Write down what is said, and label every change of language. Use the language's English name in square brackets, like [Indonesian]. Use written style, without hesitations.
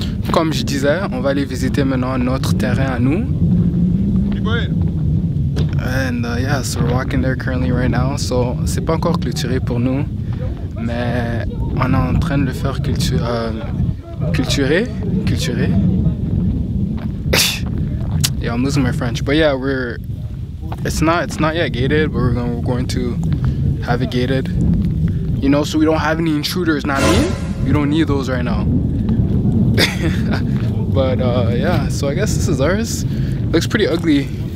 [French] Comme je disais, on va aller visiter maintenant notre terrain à nous. [English] And yeah, so we're walking there currently right now. [French] So, c'est pas encore clôturé pour nous. Mais on est en train de le faire culturer. [English] Yeah, I'm losing my French. But yeah, we're... It's not yet gated, but we're going to have it gated. You know, so we don't have any intruders, not me. We don't need those right now. But yeah, so I guess this is ours. Looks pretty ugly.